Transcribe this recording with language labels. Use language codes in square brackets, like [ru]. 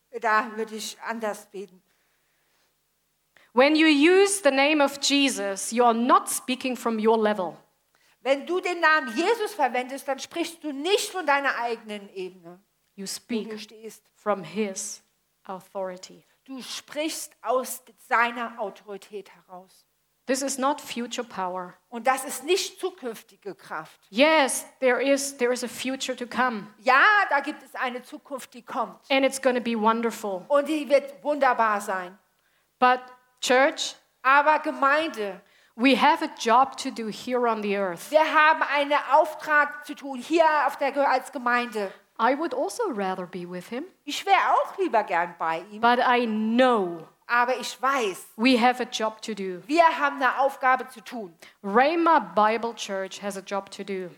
[de] Da würde ich anders beten. [en] When you use the name of Jesus, you are not speaking from your level. [de] Wenn du den Namen Jesus verwendest, dann sprichst du nicht von deiner eigenen Ebene. [en] You speak from his authority. [de] Du sprichst aus seiner Autorität heraus. [en] This is not future power. [de] Und das ist nicht zukünftige Kraft. [en] Yes, there is a future to come. [de] Ja, da gibt es eine Zukunft, die kommt. [en] And it's going to be wonderful. [de] Und die wird wunderbar sein. [en] But church, [de] aber Gemeinde, [en] we have a job to do here on the earth. [de] Wir haben einen Auftrag zu tun hier auf der als Gemeinde. [en] I would also rather be with him. [de] Ich wäre auch lieber gern bei ihm. [en] But I know. [de] Aber ich weiß. [en] We have a job to do. [de] Wir haben eine Aufgabe zu tun. [en] Rhema Bible Church has a job to do.